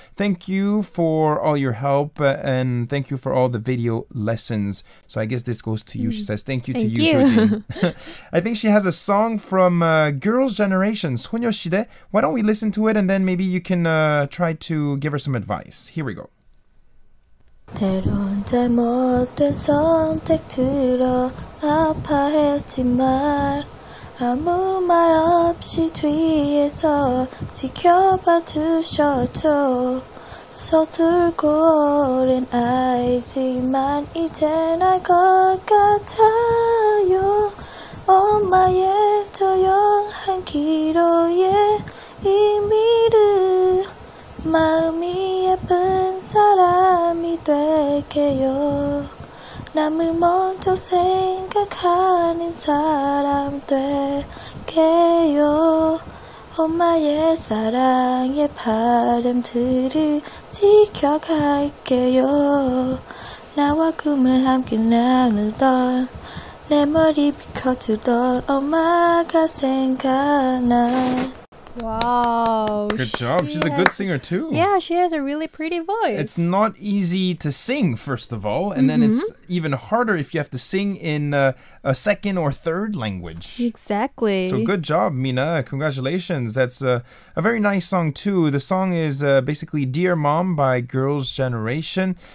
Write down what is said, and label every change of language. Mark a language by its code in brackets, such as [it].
[en] Thank you for all your help and thank you for all the video lessons. So I guess this goes to you. She says thank you to you. I think she has a song from Girls' Generation, 소녀시대. Why don't we listen to it and then maybe you can try to give her some advice. Here we go. [ko] 때론 잘못된 선택 들어 아파했지만 아무 말 없이 뒤에서 지켜봐 주셨죠 서툴고 어린 아이지만 이젠 알 것 같아요 엄마의 조용한 기도에 의미를 마음이 예쁜 사람이 될게요 남을 먼저 생각하는 사람 될게요 엄마의 사랑의 바람들을 지켜갈게요 나와 꿈을 함께 나누던 내 머리 비켜주던 엄마가 생각나 [en] Wow. Good job. She's a good singer too. Yeah, she has a really pretty voice. It's not easy to sing, first of all. And mm-hmm. then it's even harder if you have to sing in a second or third language. Exactly. So good job, Mina. Congratulations. That's a very nice song too. The song is basically Dear Mom by Girls' Generation.